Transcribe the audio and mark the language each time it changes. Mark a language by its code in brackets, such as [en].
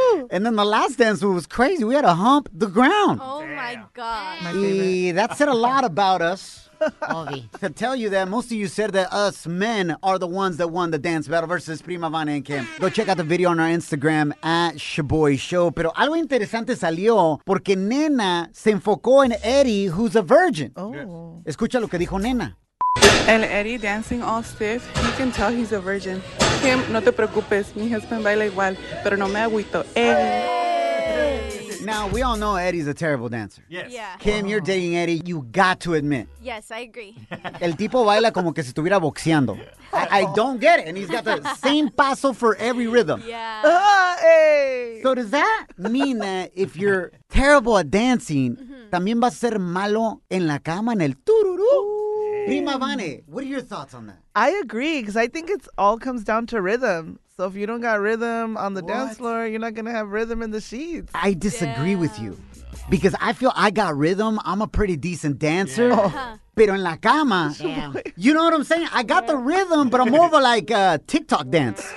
[en] And then the last dance move was crazy. We had to hump the ground. Oh, my God. That said a lot about us. Obvi. To tell you that, most of you said that us men are the ones that won the dance battle versus Prima Vane and Kim. Go check out the video on our Instagram, at Shaboy Show. [es] Pero algo interesante salió porque Nena se enfocó en Eddie, [en] who's a virgin. [es] Oh. Escucha lo que dijo Nena. [en] And Eddie dancing all stiff, you can tell he's a virgin. [es] Kim, no te preocupes, mi husband baila igual, pero no me agüito. [en] Hey. Now, we all know Eddie's a terrible dancer. Yes. Yeah. Kim, you're dating Eddie, you got to admit. Yes, I agree. [es] El tipo baila como que se estuviera boxeando. [en] I don't get it. And he's got the same paso for every rhythm. Yeah. Hey. So does that mean that if you're terrible at dancing, mm-hmm. [es] también vas a ser malo en la cama, en el tururú? [en] Prima Vane, what are your thoughts on that? I agree, because I think it all comes down to rhythm. So if you don't got rhythm on the dance floor, you're not going to have rhythm in the sheets. I disagree with you, because I feel I got rhythm. I'm a pretty decent dancer. Yeah. [es] Pero en la cama, [en] you know what I'm saying? I got the rhythm, but I'm more of a like a TikTok dance.